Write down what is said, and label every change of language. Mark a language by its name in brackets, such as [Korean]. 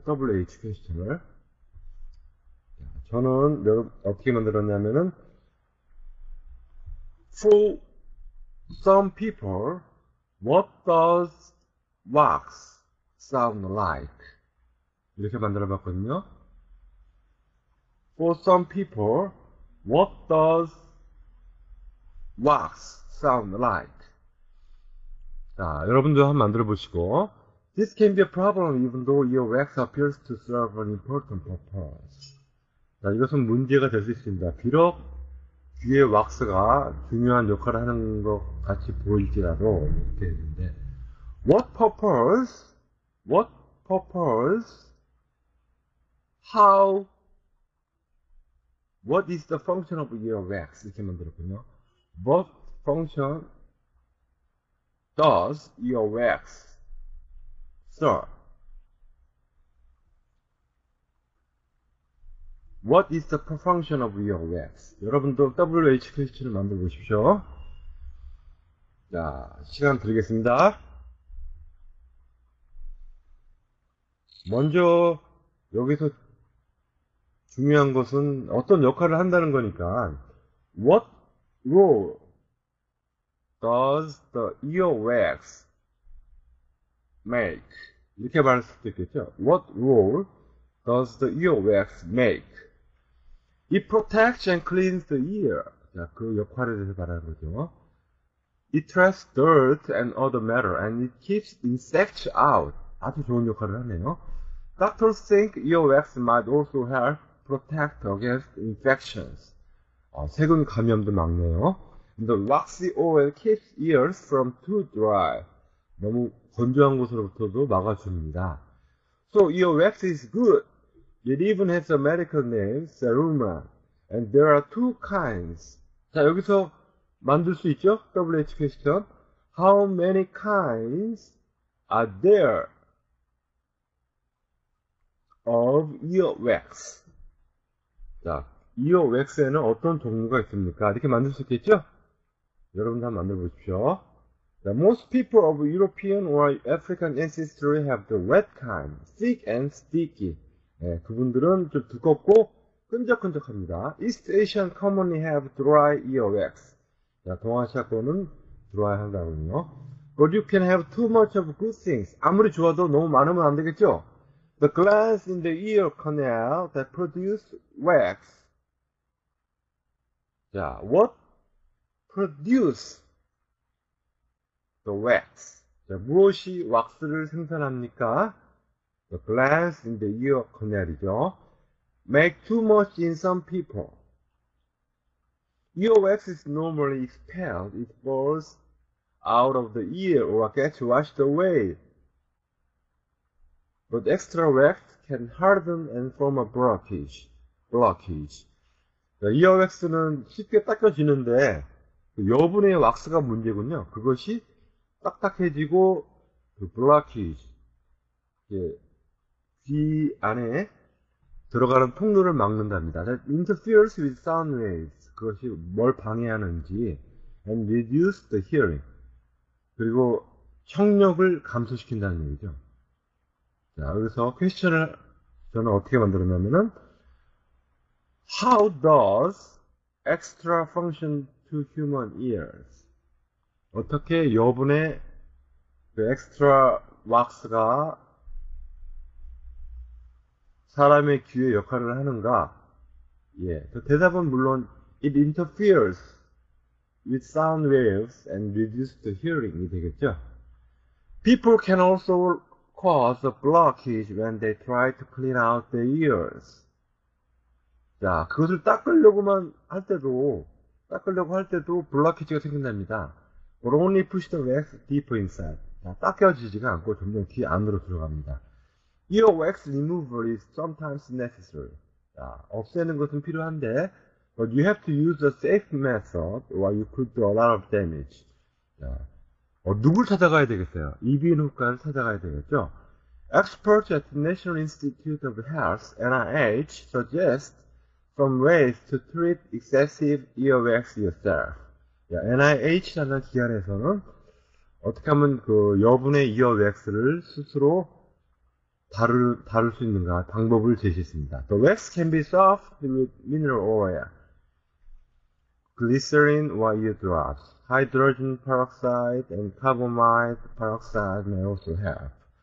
[Korean] WH 퀘스천을. 저는 어떻게 만들었냐면은 [English] For some people, what does wax sound like? [Korean] 이렇게 만들어 봤거든요. [English] For some people, what does wax sound like? [Korean] 자, 여러분도 한번 만들어 보시고, [English] This can be a problem even though your wax appears to serve an important purpose. [Korean] 자, 이것은 문제가 될 수 있습니다. 비록 귀의 왁스가 중요한 역할을 하는 것 같이 보일지라도, 이렇게 했는데, [English] what is the function of your wax? [Korean] 이렇게 만들었군요. [English] What function does your wax What is the function of your wax? [Korean] 여러분도 WH 퀘스천을 만들어 보십시오. 자, 시간 드리겠습니다. 먼저 여기서 중요한 것은 어떤 역할을 한다는 거니까, [English] What role does the ear wax make? [Korean] 이렇게 말할 수도 있겠죠. [English] What role does the earwax make? It protects and cleans the ear. [Korean] 자, 그 역할에 대해서 말하는 거죠. [English] It traps dirt and other matter and it keeps insects out. [Korean] 아주 좋은 역할을 하네요. [English] Doctors think earwax might also help protect against infections. [Korean] 세균 감염도 막네요. [English] The waxy oil keeps ears from too dry. [Korean] 너무 건조한 곳으로부터도 막아줍니다. [English] So your wax is good. It even has a medical name, Seruma. And there are two kinds. [Korean] 자, 여기서 만들 수 있죠? [English] WH question. How many kinds are there of your wax? [Korean] 자, your wax에는 어떤 종류가 있습니까? 이렇게 만들 수 있겠죠? 여러분도 한번 만들어 보십시오. [English] The most people of European or African ancestry have the wet kind, thick and sticky. [Korean] 네, 그분들은 좀 두껍고 끈적끈적합니다. [English] East Asian commonly have dry earwax. [Korean] 자, 동아시아 거는 dry 한다군요. [English] But you can have too much of good things. [Korean] 아무리 좋아도 너무 많으면 안 되겠죠? [English] The glands in the ear canal that produce wax. 자, what produce the wax? [Korean] 자, 무엇이 왁스를 생산합니까? [English] The glands in the ear canal이죠. Make too much in some people. Earwax is normally expelled. It falls out of the ear or gets washed away. But extra wax can harden and form a blockage. Blockage. [Korean] 자, 이어웩스는 쉽게 닦여지는데 그 여분의 왁스가 문제군요. 그것이 딱딱해지고 그 블록키지 이제 귀 안에 들어가는 통로를 막는답니다. [English] That interferes with sound waves. [Korean] 그것이 뭘 방해하는지 [English] and reduce the hearing. [Korean] 그리고 청력을 감소시킨다는 얘기죠. 자, 여기서 퀘스천을 저는 어떻게 만들었냐면은 [English] How does extra function to human ears? [Korean] 어떻게 여분의 그 extra wax가 사람의 귀의 역할을 하는가? 예. 그 대답은 물론 [English] It interferes with sound waves and reduces the hearing이 되겠죠. People can also cause a blockage when they try to clean out their ears. [Korean] 자, 그것을 닦으려고만 할 때도, 닦으려고 할 때도 블록키지가 생긴답니다. [English] But only push the wax deeper inside. [Korean] 자, 닦여지지가 않고 점점 귀 안으로 들어갑니다. [English] Ear wax removal is sometimes necessary. [Korean] 자, 없애는 것은 필요한데, [English] but you have to use a safe method or you could do a lot of damage. [Korean] 자, 누굴 찾아가야 되겠어요? 이비인후과를 찾아가야 되겠죠? [English] Experts at the National Institute of Health, NIH, suggest some ways to treat excessive earwax yourself. [Korean] 자, NIH라는 기관에서는 어떻게 하면 그 여분의 earwax를 스스로 다룰 수 있는가 방법을 제시했습니다. [English] The wax can be soft with mineral oil, glycerin or ear drops, hydrogen peroxide and carbamide peroxide may also help.